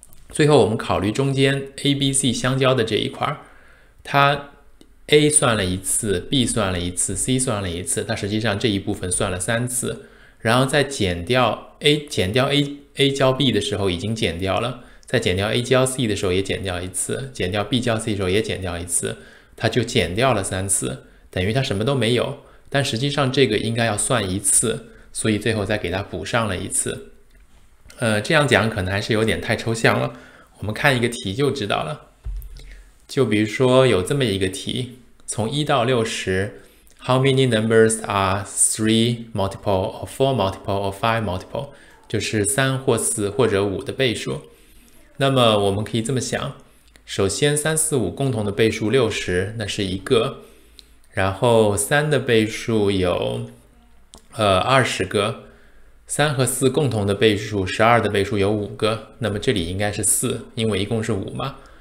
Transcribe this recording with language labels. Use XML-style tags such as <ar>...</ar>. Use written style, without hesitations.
<zh>最后我们考虑中间 a、b、c 相交的这一块，它A 算了一次，B 算了一次，C 算了一次，它实际上这一部分算了三次，然后再减掉 A 交 B 的时候已经减掉了，再减掉 A 交 C 的时候也减掉一次，减掉 B 交 C 的时候也减掉一次，它就减掉了三次，等于它什么都没有。但实际上这个应该要算一次，所以最后再给它补上了一次。这样讲可能还是有点太抽象了，我们看一个题就知道了。就比如说有这么一个题。</zh> <en>从一到六十， How many numbers are three multiple or four multiple or five multiple？</en> <zh>就是三或四或者五的倍数。那么我们可以这么想：首先，三四五共同的倍数六十，那是一个；然后三的倍数有20个，三和四共同的倍数12的倍数有5个，那么这里应该是四，因为一共是五嘛。</zh>